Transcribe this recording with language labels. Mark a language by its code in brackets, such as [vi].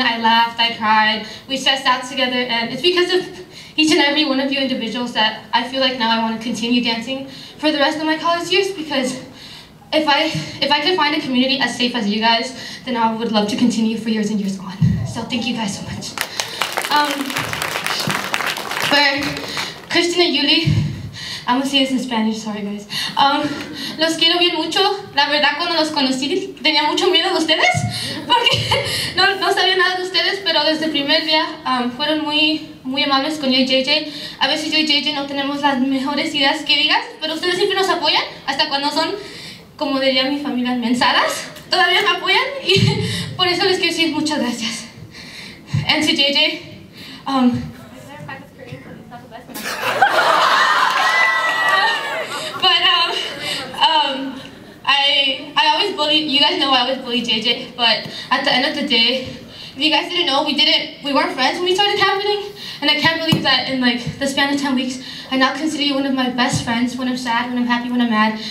[en] I laughed, I cried, we stressed out together, and it's because of each and every one of you individuals that I feel like now I want to continue dancing for the rest of my college years, because if I could find a community as safe as you guys, then I would love to continue for years and years on. So thank you guys so much. For [es] Christina Yuli, [en] I'm gonna say this in Spanish, sorry guys. [es] Los quiero bien mucho. La verdad, cuando los conocí, tenía mucho miedo de ustedes, porque no sabía nada de ustedes, pero desde el primer día fueron muy, muy amables con yo y JJ. A veces yo y JJ no tenemos las mejores ideas que digas, pero ustedes siempre nos apoyan, hasta cuando son, como diría mi familia, mensadas. Todavía me apoyan, y por eso les quiero decir muchas gracias. [en] And to JJ, I always bullied, you guys know I always bullied JJ, but at the end of the day, if you guys didn't know, we weren't friends when we started happening, and I can't believe that in like the span of 10 weeks, I now consider you one of my best friends when I'm sad, when I'm happy, when I'm mad.